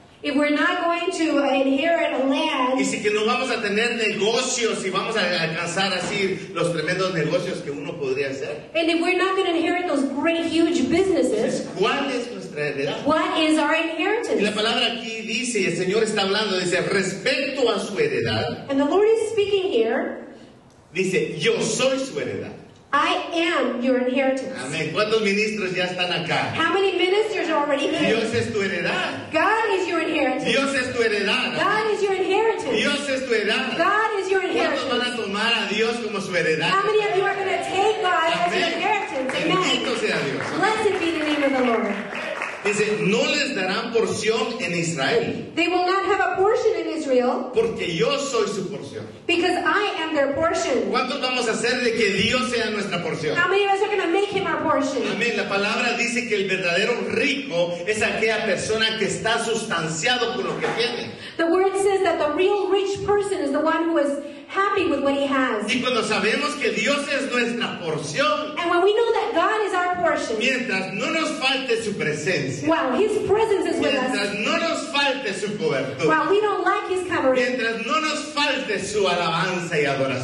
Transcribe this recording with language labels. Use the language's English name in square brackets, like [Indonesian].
[English] If we're not going to inherit a land. [Spanish] Y si que no vamos a tener negocios y vamos a alcanzar así los tremendos negocios que uno podría hacer. [English] And if we're not going to inherit those great huge businesses. [Spanish] ¿Cuál es nuestra heredad? [English] What is our inheritance? [Spanish] Y la palabra aquí dice, el Señor está hablando, dice, respecto a su heredad. [English] And the Lord is speaking here. [Spanish] Dice, yo soy su heredad. [English] I am your inheritance. [Spanish] Amén. ¿Cuántos ministros ya están acá? [English] How many ministers are already here? [Spanish] Dios es tu heredad. [English] God is your inheritance. [Spanish] Dios es tu heredad. [English] God is your inheritance. [Spanish] Dios es tu heredad. [English] God is your inheritance. [Spanish] ¿Cuántos van a tomar a Dios como su heredad? [English] How many of you are going to take God as your inheritance? [Spanish] Amén. Bendito sea Dios. [English] Blessed be the name of the Lord. [Spanish] Dice, no les darán porción en Israel. [English] They will not have a portion in Israel. [Spanish] Porque yo soy su porción. [English] Because I am their portion. [Spanish] ¿Cuántos vamos a hacer de que Dios sea nuestra porción? [English] How many of us are going to make him our portion? [Spanish] Amén. La palabra dice que el verdadero rico es aquella persona que está sustanciado con lo que tiene. [English] The word says that the real rich person is the one who is happy with what he has. [Spanish] Y cuando sabemos que Dios es nuestra porción, [English] and when we know that God is our portion, [Spanish] mientras no nos falte su presencia, [English] while his presence is with us, [Spanish] mientras no nos falte su cobertura, [English] while we don't lack his covering, [Spanish] mientras no nos falte su alabanza y adoración,